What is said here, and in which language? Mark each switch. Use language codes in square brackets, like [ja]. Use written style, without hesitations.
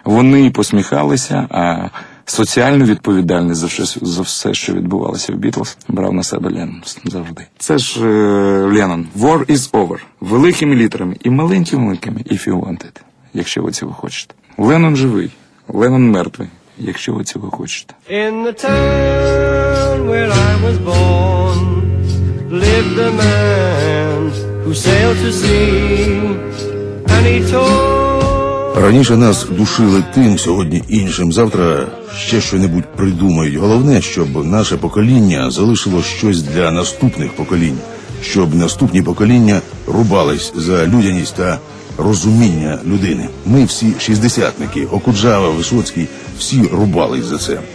[uk] Вони посміхалися, а соціальну відповідальність за все, що відбувалося в Бітлз, брав на себе Леннон завжди. Це ж Леннон. [en] War is over. [uk] Великими літерами і маленькими-маленькими, [en] if you want it, [uk] якщо ви цього хочете. Леннон живий, Леннон мертвий. Якщо ви цього хочете. [en] In the town where I was born lived a man who sailed to sea and he told. [uk] Раніше нас душили тим, сьогодні іншим, завтра ще що-небудь придумають. Головне, щоб наше покоління залишило щось для наступних поколінь, щоб наступні покоління рубались за людяність та розуміння людини. Ми всі шістдесятники, Окуджава, Висоцький, всі рубались за це.